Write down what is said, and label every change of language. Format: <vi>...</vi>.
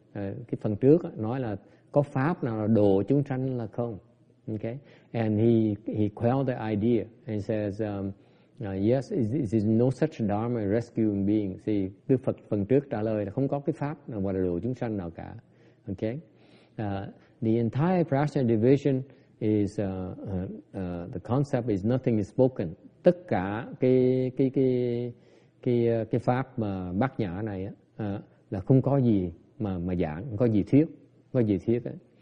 <vi>Cái phần trước nói là có pháp nào độ chúng sanh là không.</vi> <en>Okay, and he quelled the idea and says, yes, it is no such dharma rescuing being.</en> <vi>See, Đức Phật phần trước trả lời là không có cái pháp nào mà độ chúng sanh nào cả.</vi> <en>Okay, the entire prajna division is the concept is nothing is spoken.</en> <vi>Tất cả cái pháp mà bát nhã này á, là không có gì mà giảng, không có gì thuyết, không có gì thuyết ấy.</vi>